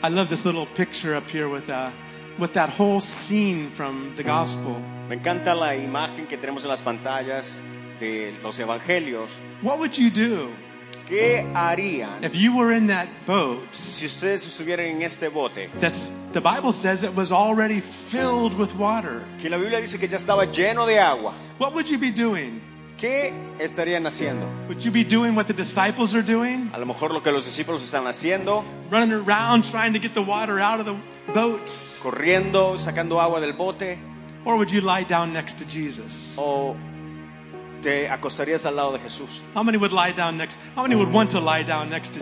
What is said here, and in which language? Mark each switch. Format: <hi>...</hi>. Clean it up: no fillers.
<en>I love this little picture up here with that whole scene from the gospel.</en> <es>Me encanta la imagen que tenemos en las pantallas de los evangelios.</es> <en>What would you do?</en> <es>¿Qué harían?</es> <en>If you were in that boat.</en> <es>Si ustedes estuvieran en este bote.</es> <en>That's the Bible says it was already filled with water.</en> <es>Que la Biblia dice que ya estaba lleno de agua.</es> <en>What would you be doing?</en> <es>¿Qué estarían haciendo?</es> <en>Would you be doing what the disciples are doing?</en> <es>A lo mejor lo que los discípulos están haciendo.</es> <en>Running around trying to get the water out of the boat.</en> <es>Corriendo, sacando agua del bote.</es> <en>Or would you lie down next to Jesus?</en> <es>O te acostarías al lado de Jesús.</es> <en>How many would lie down next? How many would want to lie down next to Jesus?</en>